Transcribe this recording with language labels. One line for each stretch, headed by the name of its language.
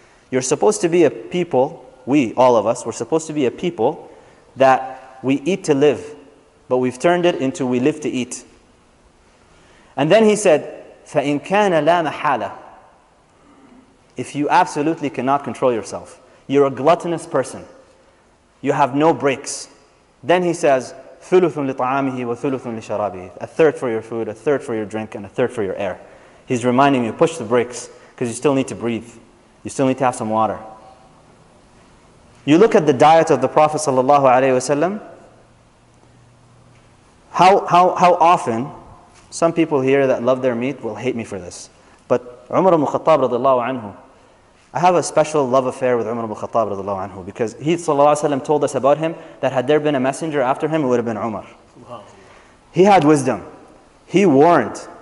English: You're supposed to be a people, we, all of us, we're supposed to be a people that we eat to live. But we've turned it into we live to eat. And then he said,
Arabic: فَإِن كَانَ لَا مَحَالَ.
English: If you absolutely cannot control yourself, you're a gluttonous person, you have no breaks. Then he says,
Arabic: ثُلُثٌ لِطَعَامِهِ وَثُلُثٌ لِشَرَابِهِ.
English: A third for your food, a third for your drink, and a third for your air. He's reminding you, push the brakes, because you still need to breathe. You still need to have some water. You look at the diet of the Prophet sallallahu alaihi wasallam. How often, some people here that love their meat will hate me for this, but Umar ibn Khattab radiallahu anhu, I have a special love affair with Umar ibn Khattab radiallahu anhu, because he sallallahu alaihi wasallam told us about him that had there been a messenger after him, it would have been Umar. Wow. He had wisdom. He warned.